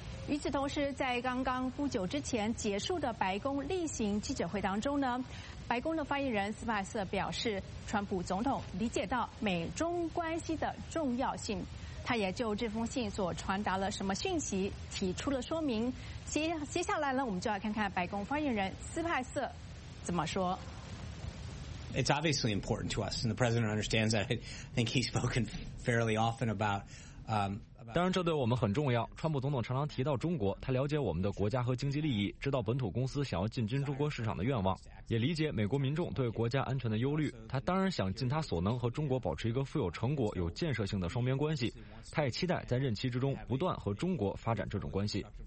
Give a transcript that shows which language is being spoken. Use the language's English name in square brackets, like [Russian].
[Chinese] 与此同时，在刚刚不久之前结束的白宫例行记者会当中呢，白宫的发言人斯派瑟表示，川普总统理解到美中关系的重要性，他也就这封信所传达了什么讯息提出了说明。接下来呢，我们就来看看白宫发言人斯派瑟怎么说。 [English] It's obviously important to us, and the president understands that. I think he's spoken fairly often about [Chinese] 当然这对我们很重要。川普总统常常提到中国，他了解我们的国家和经济利益，知道本土公司想要进军中国市场的愿望，也理解美国民众对国家安全的忧虑。他当然想尽他所能和中国保持一个富有成果、有建设性的双边关系。他也期待在任期之中不断和中国发展这种关系。